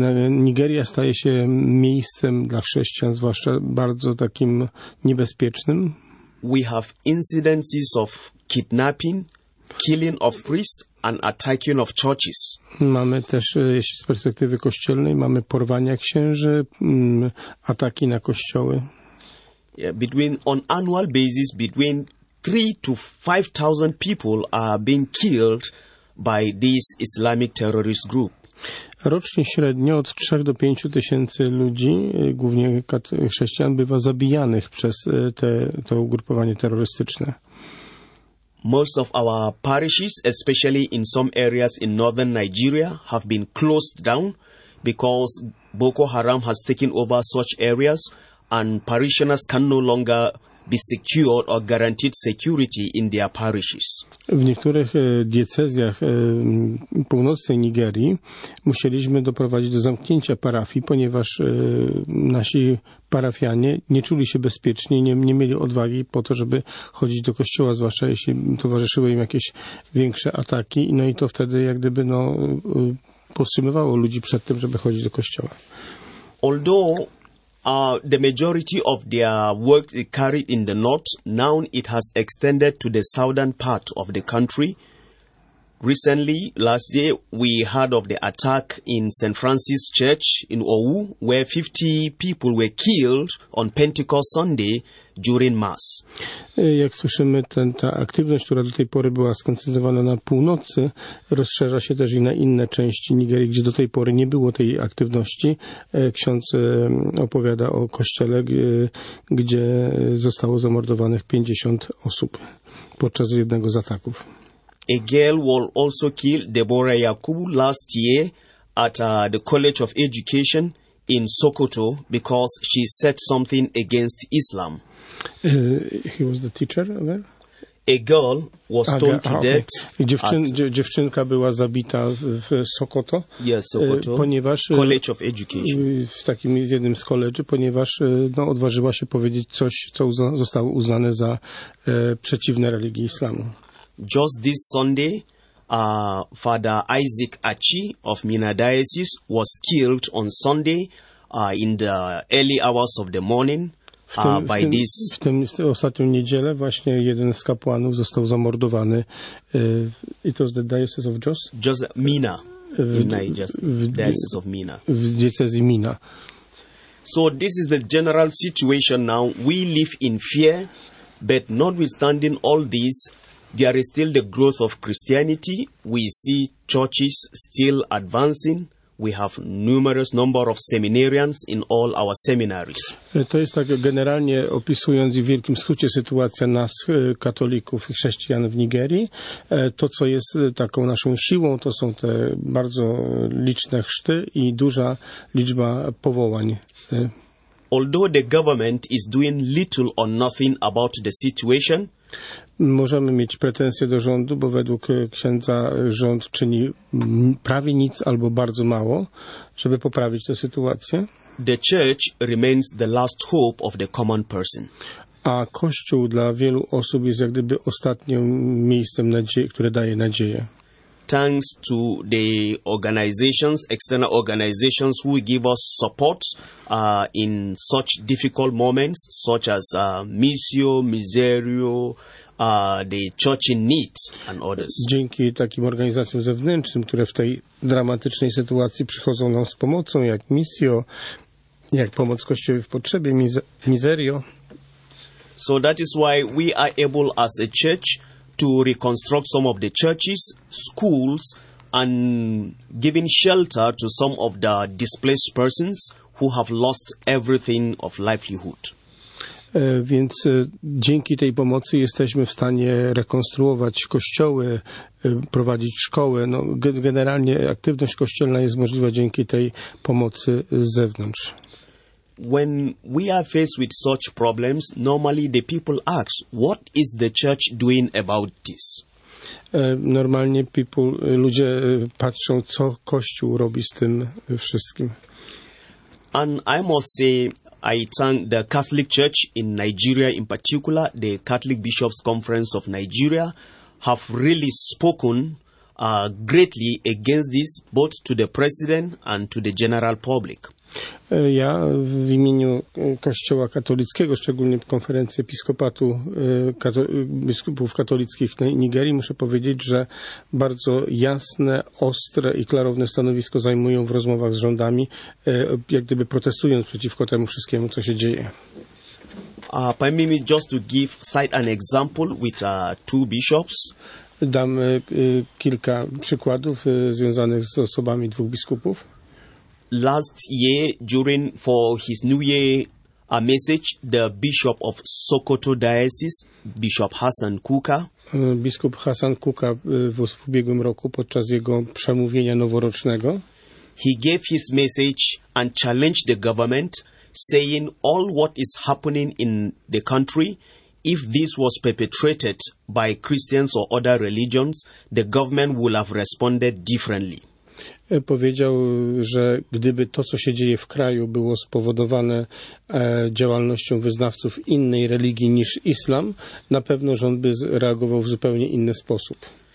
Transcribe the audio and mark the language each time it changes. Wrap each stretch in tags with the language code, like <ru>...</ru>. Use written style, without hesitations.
<pl>Nigeria staje się miejscem dla chrześcijan, zwłaszcza bardzo takim niebezpiecznym.</pl> <en>We have incidences of kidnapping, killing of priests and attacking of churches.</en> <pl>Mamy też, jeśli z perspektywy kościelnej, mamy porwania księży, ataki na kościoły.</pl> <en>Yeah, on annual basis, between 3,000 to 5,000 people are being killed by this Islamic terrorist group.</en> <pl>Rocznie średnio od 3,000 to 5,000 ludzi, głównie chrześcijan, bywa zabijanych przez to ugrupowanie terrorystyczne.</pl> <en>Most of our parishes, especially in some areas in northern Nigeria, have been closed down because Boko Haram has taken over such areas and parishioners can no longer be secured or guaranteed security in their parishes.</en> <pl>W niektórych diecezjach północnej Nigerii musieliśmy doprowadzić do zamknięcia parafii, ponieważ nasi parafianie nie czuli się bezpiecznie, nie mieli odwagi po to, żeby chodzić do kościoła, zwłaszcza jeśli towarzyszyły im jakieś większe ataki. No i to wtedy jak gdyby powstrzymywało ludzi przed tym, żeby chodzić do kościoła.</pl> <en>The majority of their work is carried in the north. Now it has extended to the southern part of the country. Recently, last year, we heard of the attack in St. Francis Church in Owu, where 50 people were killed on Pentecost Sunday during Mass.</en> <pl>Jak słyszymy, ta aktywność, która do tej pory była skoncentrowana na północy, rozszerza się też i na inne części Nigerii, gdzie do tej pory nie było tej aktywności. Ksiądz opowiada o kościele, gdzie zostało zamordowanych 50 osób podczas jednego z ataków.</pl> <en>A girl was also killed, Deborah Yakubu, last year at the College of Education in Sokoto because she said something against Islam. He was the teacher there? A girl was stoned to death.</en> <pl>Dziewczynka była zabita w Sokoto.</pl> <en>Yes, Sokoto.</en> <pl>Ponieważ</pl> <en>College of Education.</en> <pl>W jednym z koledży, ponieważ odważyła się powiedzieć coś, co zostało uznane za przeciwne religii islamu.</pl> <en>Just this Sunday, Father Isaac Achi of Minna Diocese was killed on Sunday in the early hours of the morning by this.</en> <pl>W ostatnią niedzielę właśnie jeden z kapłanów został zamordowany.</pl> <en>It was the Diocese of Jos? Just Minna. Diocese of Minna.</en> <pl>W diecezji Minna.</pl> <en>So this is the general situation now. We live in fear, but notwithstanding all this, there is still the growth of Christianity. We see churches still advancing. We have numerous number of seminarians in all our seminaries.</en> <pl>To jest tak generalnie opisując w wielkim skrócie sytuacja nas, katolików i chrześcijan w Nigerii. To, co jest taką naszą siłą, to są te bardzo liczne chrzty i duża liczba powołań.</pl> <en>although the government is doing little or nothing about the situation,</en> <pl>możemy mieć pretensje do rządu, bo według księdza rząd czyni prawie nic albo bardzo mało, żeby poprawić tę sytuację.</pl> <en>The church remains the last hope of the common person.</en> <pl>A Kościół dla wielu osób jest jak gdyby ostatnim miejscem nadziei, które daje nadzieję.</pl> <en>Thanks to the organizations, external organizations who give us support in such difficult moments, such as Missio, Miserio, the Church in Need and others.</en> <pl>Dzięki takim organizacjom zewnętrznym, które w tej dramatycznej sytuacji przychodzą nam z pomocą, jak Missio, jak pomoc Kościołowi w potrzebie, Miserio.</pl> <en>So that is why we are able as a church to reconstruct some of the churches, schools and giving shelter to some of the displaced persons who have lost everything of livelihood.</en> <pl>Więc dzięki tej pomocy jesteśmy w stanie rekonstruować kościoły, prowadzić szkoły. No, generalnie aktywność kościelna jest możliwa dzięki tej pomocy z zewnątrz.</pl> <en>When we are faced with such problems, normally the people ask, what is the church doing about this?</en> <pl>Normalnie ludzie patrzą, co Kościół robi z tym wszystkim.</pl> <en>And I must say, I thank the Catholic Church in Nigeria in particular, the Catholic Bishops Conference of Nigeria, have really spoken greatly against this, both to the president and to the general public.</en> <pl>Ja w imieniu Kościoła katolickiego, szczególnie konferencji episkopatu biskupów katolickich na Nigerii, muszę powiedzieć, że bardzo jasne, ostre i klarowne stanowisko zajmują w rozmowach z rządami, jak gdyby protestując przeciwko temu wszystkiemu, co się dzieje.</pl> <en>Permit me just to give cite an example with two bishops.</en> <pl>Dam kilka przykładów związanych z osobami dwóch biskupów.</pl> <en>Last year, during for his New Year a message, the Bishop of Sokoto Diocese, Bishop Hassan Kuka.</en> <pl>Biskup Hassan Kuka w ubiegłym roku podczas jego przemówienia noworocznego.</pl> <en>He gave his message and challenged the government, saying all what is happening in the country, if this was perpetrated by Christians or other religions, the government would have responded differently.</en> <pl>Powiedział, że gdyby to, co się dzieje w kraju, było spowodowane działalnością wyznawców innej religii niż islam, na pewno rząd by reagował w zupełnie inny sposób.</pl>